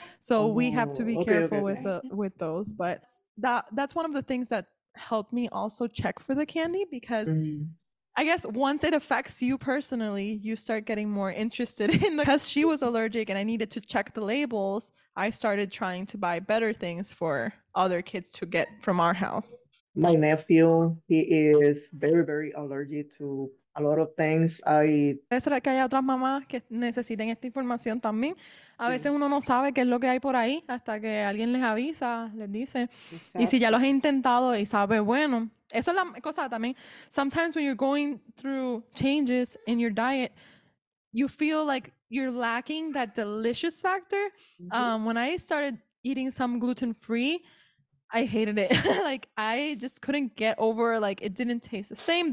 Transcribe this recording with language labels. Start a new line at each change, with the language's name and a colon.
English: So we have to be careful with those. But that's one of the things that helped me also check for the candy, because I guess once it affects you personally, you start getting more interested in the, because she was allergic and I needed to check the labels, I started trying to buy better things for other kids to get from our house. My nephew, he is very, very allergic to a lot of things.
Spanish: ¿Será que hay otras mamás que necesiten esta información también? A veces uno no sabe qué es lo que hay por ahí hasta que alguien les avisa, les dice. Y si ya los he intentado y sabe, bueno. Eso es la cosa también.
English: Sometimes when you're going through changes in your diet, you feel like you're lacking that delicious factor. When I started eating some gluten-free, I hated it. Like, I just couldn't get over, like, it didn't taste the same.